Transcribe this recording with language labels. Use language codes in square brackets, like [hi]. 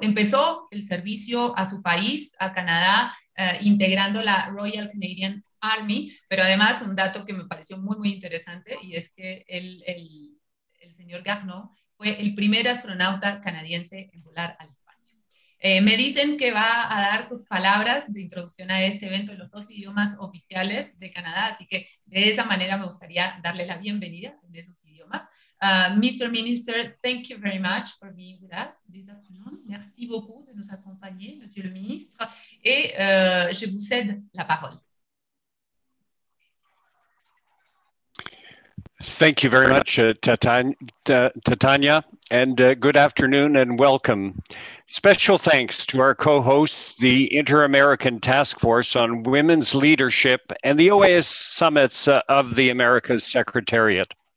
[es] Empezó el servicio a su país, a Canadá, integrando la Royal Canadian Army, pero además un dato que me pareció muy muy interesante y es que el señor Garneau fue el primer astronauta canadiense en volar al espacio. Me dicen que va a dar sus palabras de introducción a este evento en los dos idiomas oficiales de Canadá, así que de esa manera me gustaría darle la bienvenida en esos idiomas. [en] Mr. Minister, thank you very much for being with us this afternoon. [fr] Merci beaucoup de nous accompagner, Monsieur le Ministre, et je vous cède la parole. [en] Thank you very much, Tatiana, and good afternoon and welcome. Special thanks to our co-hosts, the Inter-American Task Force on Women's Leadership and the OAS Summits of the Americas Secretariat.